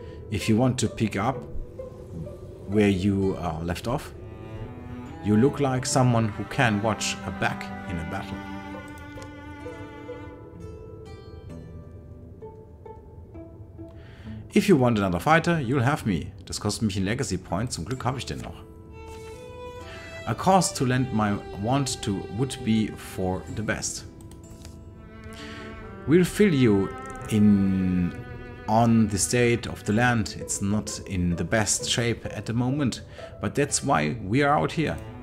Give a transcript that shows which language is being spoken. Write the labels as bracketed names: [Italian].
[English] If you want to pick up where you left off, you look like someone who can watch a back in a battle. If you want another fighter, you'll have me. [German] Das kostet mich ein Legacy Point, zum Glück habe ich den noch. [English] A cause to lend my wand to would be for the best. We'll fill you in on the state of the land. It's not in the best shape at the moment, but that's why we are out here.